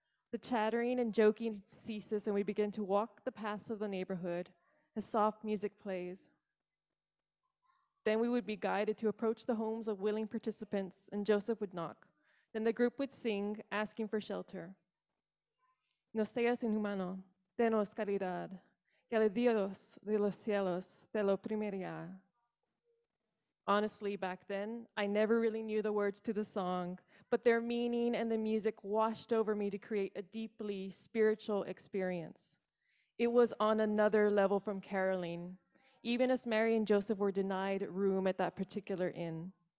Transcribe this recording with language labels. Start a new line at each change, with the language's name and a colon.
English: The chattering and joking ceases, and we begin to walk the paths of the neighborhood as soft music plays. Then we would be guided to approach the homes of willing participants, and Joseph would knock. Then the group would sing, asking for shelter.
Spanish: No seas inhumano, denos caridad, que el Dios de los cielos te lo primería.
English: Honestly, back then, I never really knew the words to the song, but their meaning and the music washed over me to create a deeply spiritual experience. It was on another level from caroling, even as Mary and Joseph were denied room at that particular inn.